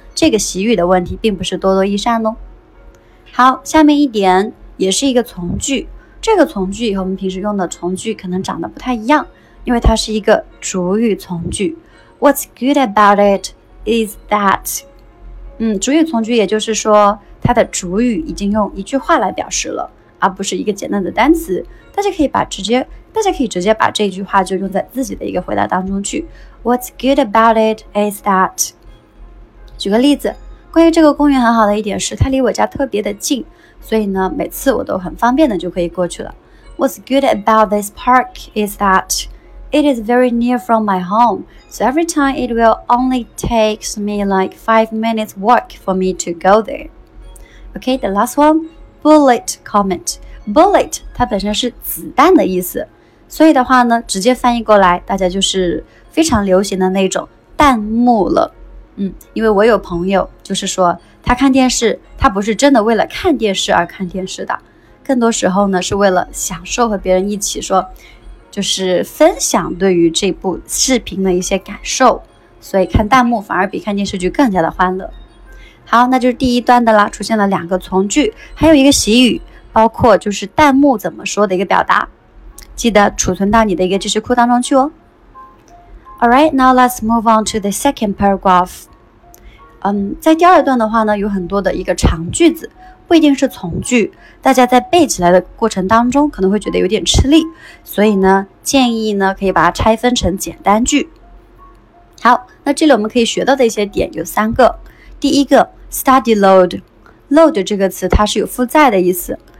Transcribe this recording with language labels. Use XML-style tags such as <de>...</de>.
<zh>这个习语的问题并不是多多益善哦。好，下面一点也是一个从句，这个从句和我们平时用的从句可能长得不太一样，因为它是一个主语从句。</zh> <en>What's good about it is that，</en> <zh>主语从句也就是说它的主语已经用一句话来表示了，而不是一个简单的单词。大家可以直接把这句话就用在自己的一个回答当中去。</zh> <en>What's good about it is that。</en> <zh>举个例子，关于这个公园很好的一点是它离我家特别的近，所以呢，每次我都很方便的就可以过去了。</zh> <en>What's good about this park is that it is very near from my home, so every time it will only takes me like 5 minutes walk for me to go there. Okay, the last one, bullet comment.</en> <zh>Bullet 它本身是子弹的意思。所以的话呢，直接翻译过来，大家就是非常流行的那种弹幕了。因为我有朋友，就是说他看电视，他不是真的为了看电视而看电视的，更多时候呢，是为了享受和别人一起说，就是分享对于这部视频的一些感受。所以看弹幕反而比看电视剧更加的欢乐。好，那就是第一段的啦，出现了两个从句，还有一个习语，包括就是弹幕怎么说的一个表达。记得储存到你的一个知识库当中去哦。</zh> <en>Alright, now let's move on to the second paragraph.</en> <zh>在第二段的话呢，有很多的一个长句子，不一定是从句，大家在背起来的过程当中可能会觉得有点吃力，所以呢，建议呢可以把它拆分成简单句。好，那这里我们可以学到的一些点有三个。第一个 ，study load， load 这个词它是有负载的意思。</zh>